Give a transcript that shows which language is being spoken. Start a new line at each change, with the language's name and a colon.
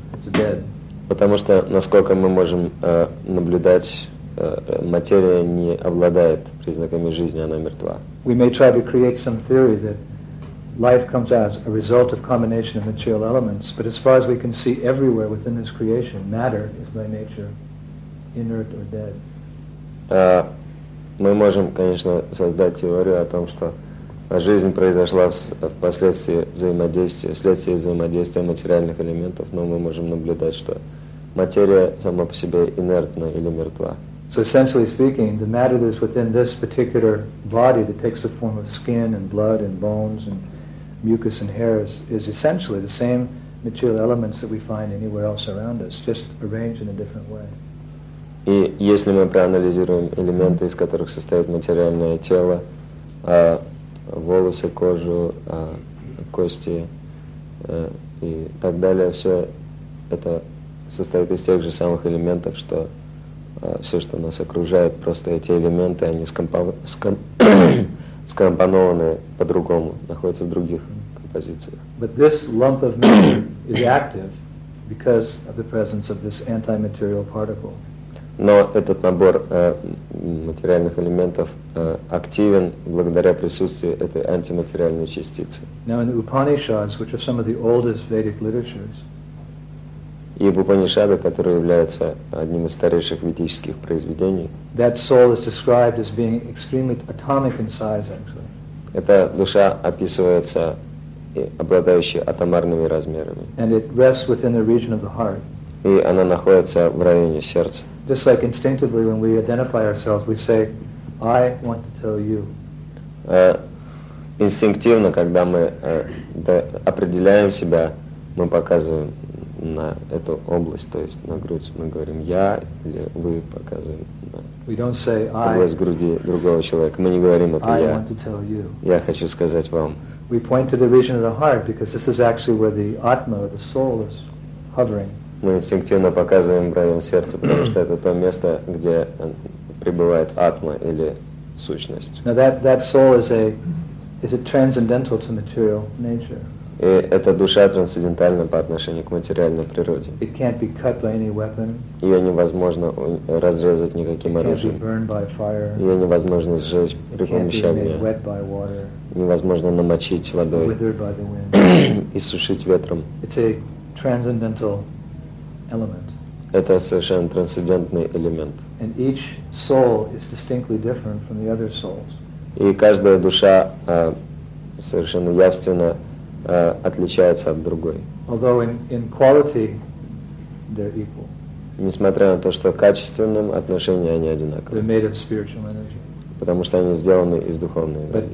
English: It's dead.
Russian: Потому что, насколько мы можем наблюдать, материя не обладает признаками жизни, она мертва.
English: We may try to create some theory that life comes as a result of combination of material elements, but as far as we can see everywhere within this creation, matter is by nature inert or dead.
Russian: Мы можем, конечно, создать теорию о том, что жизнь произошла впоследствии взаимодействия, вследствие взаимодействия материальных элементов, но мы можем наблюдать, что материя сама по себе инертна или мертва.
English: So essentially speaking, the matter that is within this particular body that takes the form of skin and blood and bones and mucus and hairs is essentially the same material elements that we find anywhere else around us, just arranged in a different way.
Russian: И если мы проанализируем элементы, из которых состоит материальное тело, волосы, кожу, кости и так далее, все это состоит из тех же самых элементов, что все, что нас окружает, просто эти элементы, они скомпонованы по-другому, находятся в других композициях.
English: But this lump of matter is active because of the presence of this anti-material particle.
Russian: Но этот набор материальных элементов активен благодаря присутствию этой антиматериальной частицы.
English: Now in the Upanishads, which are some of the oldest Vedic literatures,
Russian: и в Упанишадах, которые являются одним из старейших ведических произведений,
English: that soul is described as being extremely atomic in size, actually.
Russian: Эта душа описывается обладающей атомарными размерами.
English: And it rests within the region of the heart.
Russian: И она находится в районе сердца.
English: Just like instinctively when we identify ourselves, we say, I want to tell you.
Russian: Инстинктивно, когда мы определяем себя, мы показываем на эту область, то есть на грудь, мы говорим «я» или «вы» показываем на область груди другого человека. Мы не говорим «это я». Я хочу сказать вам.
English: We point to the region of the heart because this is actually where the Atma, the soul, is hovering.
Russian: Мы инстинктивно показываем район сердца, потому что это то место, где пребывает Атма или сущность.
English: Now that soul is a transcendental to material nature.
Russian: И эта душа трансцендентальна по отношению к материальной природе.
English: It can't be cut by any weapon.
Russian: Ее невозможно разрезать никаким оружием.
English: It can't be burned by fire.
Russian: Ее невозможно сжечь при помощи огня.
English: It can't be made wet by water.
Russian: Невозможно намочить водой и сушить ветром.
English: It's a transcendental element.
Russian: Это совершенно трансцендентный элемент.
English: And each soul is distinctly different from the other souls.
Russian: И каждая душа совершенно явственно отличается от другой.
English: Although in quality they're equal.
Russian: Несмотря на то, что в качественном отношении они одинаковы.
English: They're made of spiritual energy.
Russian: Потому что они сделаны из духовной энергии.